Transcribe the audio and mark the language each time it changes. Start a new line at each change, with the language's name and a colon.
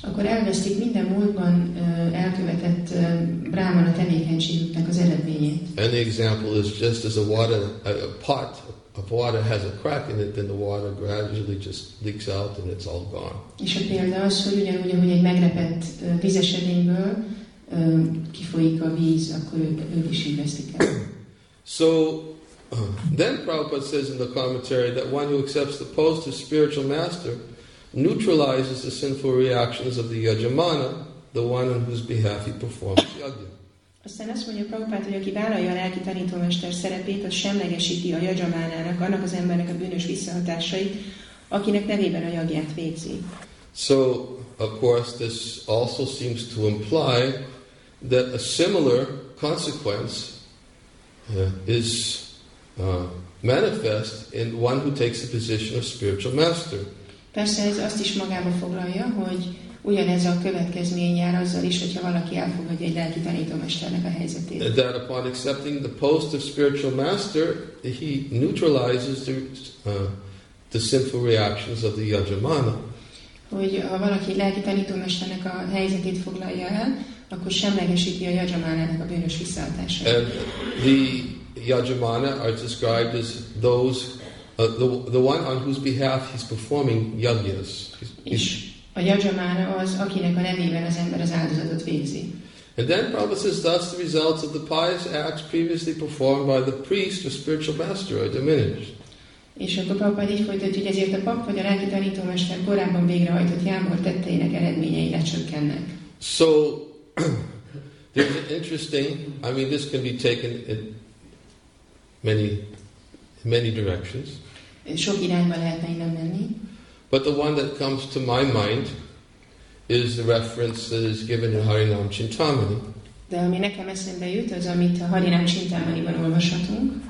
Hungarian: Akkor elvesztik minden múltban elkövetett brámana tevékenységüknek az eredményét.
English: And the example is just as a pot of water has a crack in it, then the water gradually just leaks out and it's all gone.
Hungarian: És a példa az, hogy ugyanúgy, ahogy egy megrepett vízes edényből kifolyik a víz, akkor ők is így vesztik el.
English: So, then Prabhupada says in the commentary that one who accepts the post of spiritual master neutralizes the sinful reactions of the yajamana, the one on whose behalf he performs yajna.
Hungarian: Aztán azt mondja Prabhupada, hogy aki vállalja a lelki tanítómester szerepét, az semlegesíti a yajamanának, annak az embernek a bűnös visszahatásait, akinek nevében a yajnát végzi.
English: So, of course, this also seems to imply that a similar consequence is manifest in one who takes the position of spiritual master.
Hungarian: Persze ez azt is magába foglalja, hogy ugyanez a következmény jár azzal is, hogyha valaki elfogadja egy lelki tanítómesternek a helyzetét.
English: That upon accepting the post of spiritual master, he neutralizes the sinful reactions of the yajamana.
Hungarian: Hogy ha valaki lelki tanítómesternek a helyzetét foglalja el, akkor semlegesíti a yajamanának a bűnös visszaadását.
English: And the yajamana are described as those the one on whose behalf he's performing yajnas.
Hungarian: A yajamana az, akinek a nevében az ember az áldozatot végzi.
English: And then Prabhupada says, thus the results of the pious acts previously performed by the priest or spiritual master are diminished.
Hungarian: És akkor Prabhupada így folytatja, hogy ezért a pap vagy a lelki tanítómester korábban végrehajtott jámbor tetteinek eredményei lecsökkennek.
English: So, there's an interesting, I mean this can be taken in many directions.
Hungarian: Sok irányba lehetne innen menni.
English: But the one that comes to my mind is the reference that is given in Harinam Chintamani.
Hungarian: De ami nekem eszembe jut, az amit a Harinam Chintamaniban olvashatunk.